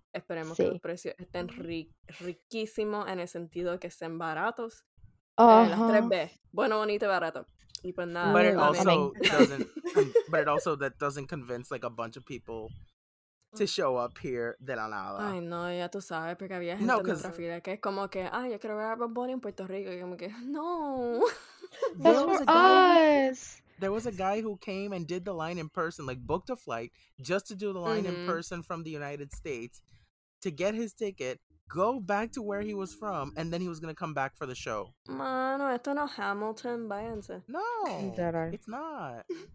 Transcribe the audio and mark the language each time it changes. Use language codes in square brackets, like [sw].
[es] Esperemos sí. que los precios estén riquísimos en el sentido que estén baratos. Las 3B. Bueno, bonito y barato. Y pues nada. [en] But it also doesn't, but it also that doesn't convince like a bunch of people to show up here [es] de la nada. Ay, no, ya tú sabes, porque había gente en otra fila que es como que, ay, yo quiero ver a Bad Bunny en Puerto Rico. Y como que, no. [en] That's for us. There was a guy who came and did the line in person, like booked a flight just to do the line mm-hmm. in person from the United States to get his ticket, go back to where he was from, and then he was going to come back for the show. [es] Mano, esto no Hamilton, váyanse. [en] No, it's not.